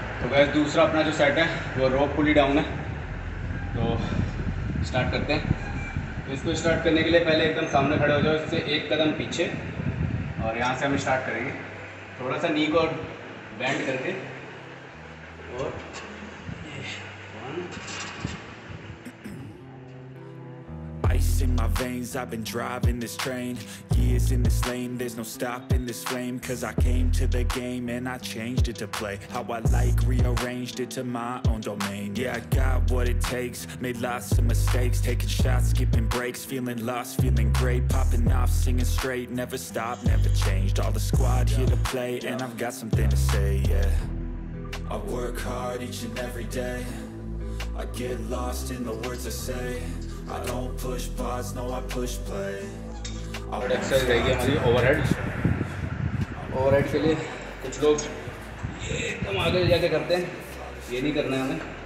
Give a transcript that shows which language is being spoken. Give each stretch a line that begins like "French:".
Hindi: वैसे दूसरा अपना जो सेट है वो रोप पुली डाउन है, तो स्टार्ट करते हैं। इसको स्टार्ट करने के लिए पहले एकदम सामने खड़े हो जाओ, इससे एक कदम पीछे, और यहाँ से हम स्टार्ट करेंगे। थोड़ा सा नी को बैंड करके, और
English: Ice in my veins, I've been driving this train. Years in this lane, there's no stopping this flame. Cause I came to the game and I changed it to play. How I like, rearranged it to my own domain. Yeah, I got what it takes, made lots of mistakes. Taking shots, skipping breaks, feeling lost, feeling great. Popping off, singing straight, never stopped, never changed. All the squad here to play and I've got something to say, yeah. I work hard each and every day. I get lost in the words I say. I don't push pause, no, I push play.
Hindi: और exercise रहेगी हमारी overhead. Overhead के लिए कुछ लोग ये एकदम आगे जाके करते हैं, ये नहीं करना है हमें।